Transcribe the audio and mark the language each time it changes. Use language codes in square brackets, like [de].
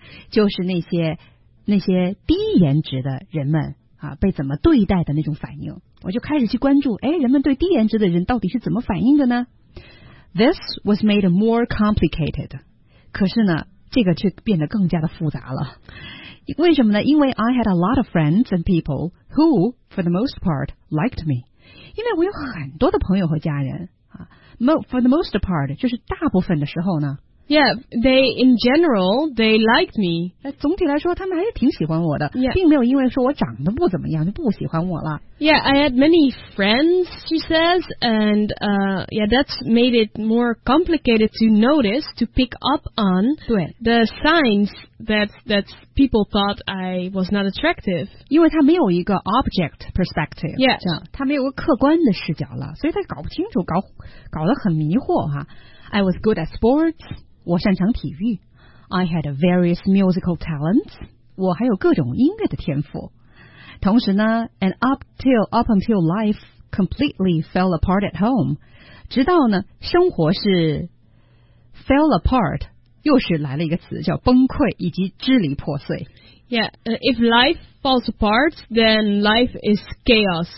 [zh] 就是那些低颜值的人们啊，被怎么对待的那种反应。我就开始去关注，哎，人们对低颜值的人到底是怎么反应的呢？ [en] This was made more complicated. [zh] 可是呢，这个却变得更加的复杂了。为什么呢？因为 [en] I had a lot of friends and people who, for the most part, liked me. [zh] 因为我有很多的朋友和家人啊。 [en] For the most part, [zh] 就是大部分的时候呢。 [en] Yeah, in general, they liked me. [zh] 总体来说他们还是挺喜欢我的、 [en] yeah. [zh] 并没有因为说我长得不怎么样就不喜欢我了。 [en] Yeah, I had many friends, she says, and yeah, that's made it more complicated to notice, to pick up on the signs that people thought I was not attractive. [zh] 因为他没有一个 [en] object perspective, yeah. [zh] 他没有个客观的视角了，所以他搞不清楚，搞得很迷惑哈。 [en] I was good at sports. [zh] 我擅长体育。 [en] I had various musical talents. [zh] 我还有各种音乐的天赋。同时呢 [en] and up until life completely fell apart at home. [zh] 直到呢生活是 [en] fell apart, [zh] 又是来了一个词叫崩溃以及支离破碎。 [en] Yeah, if life falls apart, then life is chaos.